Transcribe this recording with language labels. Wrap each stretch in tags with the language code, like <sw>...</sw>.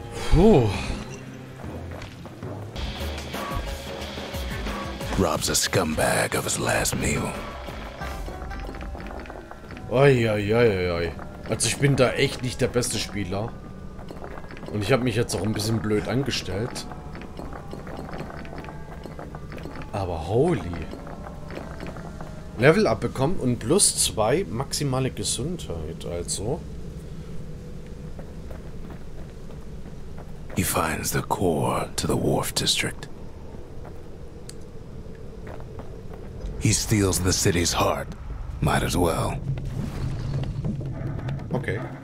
<en>Puh. Robs a scumbag of his last meal. Oi.</en> <de>Also ich bin da echt nicht der beste Spieler. Und ich habe mich jetzt auch ein bisschen blöd angestellt. Aber holy. Level abbekommen und plus 2 maximale Gesundheit, also.</de> <en>He finds the core to the Wharf District. He steals the city's heart. Might as well. Okay.</en>